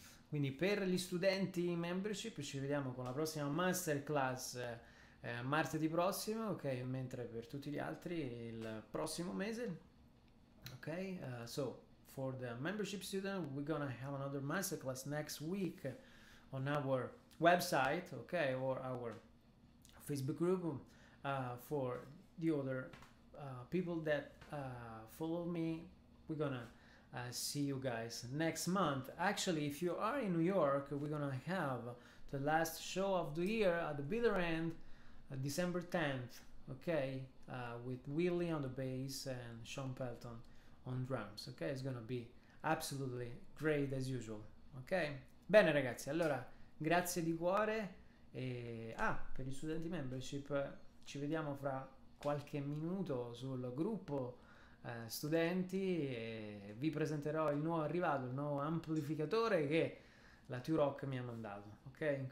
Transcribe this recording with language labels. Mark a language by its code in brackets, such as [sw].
[it] Quindi per gli studenti in membership ci vediamo con la prossima masterclass martedì prossimo, ok? Mentre per tutti gli altri il prossimo mese. Ok? [en] So for the membership student, we're gonna have another masterclass next week on our website, ok? Or our Facebook group for the other people that follow me. We're gonna see you guys next month. Actually, if you are in New York, we're gonna have the last show of the year at the Bitter End, December 10th, okay, with Willie on the bass and Sean Pelton on drums, okay? It's gonna be absolutely great as usual, okay? [it] Bene ragazzi, allora grazie di cuore e per gli studenti membership ci vediamo fra qualche minuto sul gruppo studenti e vi presenterò il nuovo arrivato, il nuovo amplificatore che la T-Rock mi ha mandato, ok?